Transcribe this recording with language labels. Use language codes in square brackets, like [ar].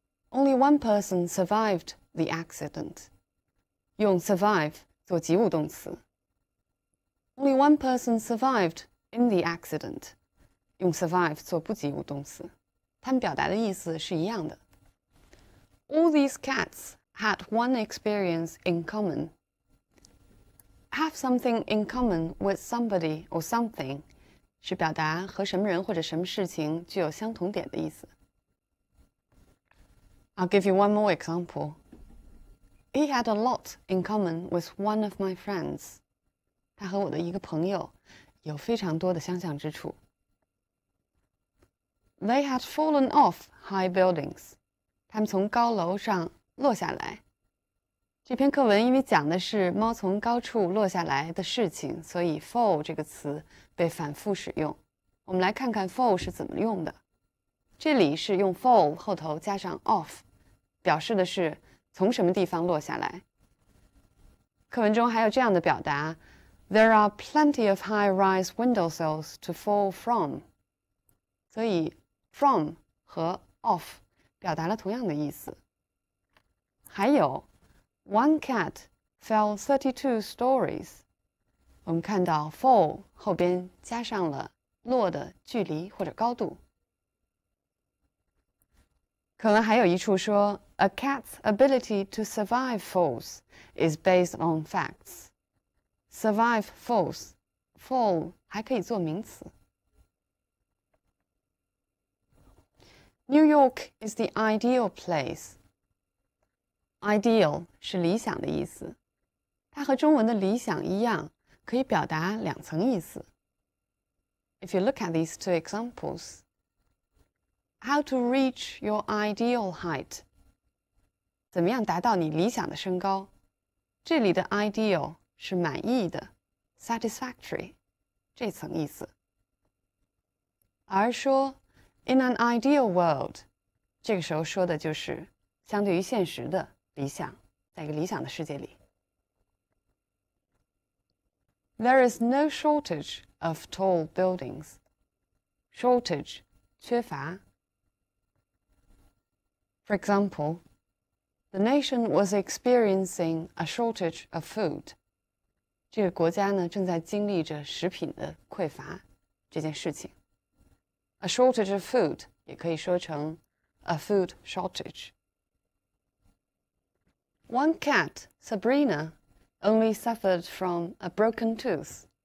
[en] Only one person survived the accident. [zh] 用 survive做及物动词。 [en] Only one person survived in the accident. [zh] 用 survive 做不及物动词。它们表达的意思是一样的。 [en] All these cats had one experience in common. Have something in common with somebody or something [zh] 是表达和什么人或者什么事情具有相同点的意思。 [en] I'll give you one more example. He had a lot in common with one of my friends. [zh] 他和我的一个朋友有非常多的相像之处。 [en] They had fallen off high buildings. [zh] 他们从高楼上落下来。这篇课文因为讲的是猫从高处落下来的事情，所以 fall 这个词被反复使用。我们来看看 fall 是怎么用的。这里是用 fall 后头加上 off， 表示的是从什么地方落下来。课文中还有这样的表达， [en] There are plenty of high-rise windowsills to fall from. [zh] 所以 from 和 off 表达了同样的意思。还有 [en] one cat fell 32 stories. [zh] 我们看到 fall 后边加上了落的距离或者高度。可能还有一处说 [en] a cat's ability to survive falls is based on facts. Survive falls, [zh] fall 还可以做名词。 [en] New York is the ideal place. [zh] Ideal 是理想的意思，它和中文的理想一样，可以表达两层意思。 [en] If you look at these two examples, how to reach your ideal height? [zh] 怎么样达到你理想的身高？这里的 ideal 是满意的 ，satisfactory 这层意思。而说。 [en] In an ideal world, [zh] 这个时候说的就是相对于现实的理想，在一个理想的世界里。 [en] There is no shortage of tall buildings. [zh] Shortage, 缺乏。 [en] For example, the nation was experiencing a shortage of food. [zh] 这个国家呢，正在经历着食品的匮乏这件事情。 [en] A shortage of food [zh] 也可以说成 [en] a food shortage. One cat, Sabrina, only suffered from a broken tooth.